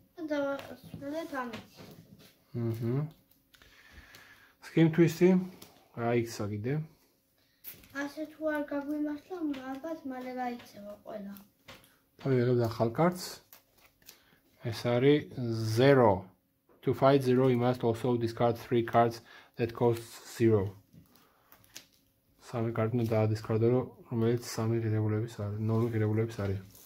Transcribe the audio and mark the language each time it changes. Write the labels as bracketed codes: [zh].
[ka] და ვაკეთებ ამით. აჰა. Scheme twisty. რა იქცა კიდე? ასე თუ არ გაგვიმართლა, ალბათ მალე გაიქცევა ყველა. და ვიღებ და ხალ კარტს. ეს არის 0. [en] To fight 0 you must also discard 3 cards that cost 0. [ka] სამი კარტი და დისკარდო, რომელიც სამი ღირებულების არის, 0 ღირებულების არის.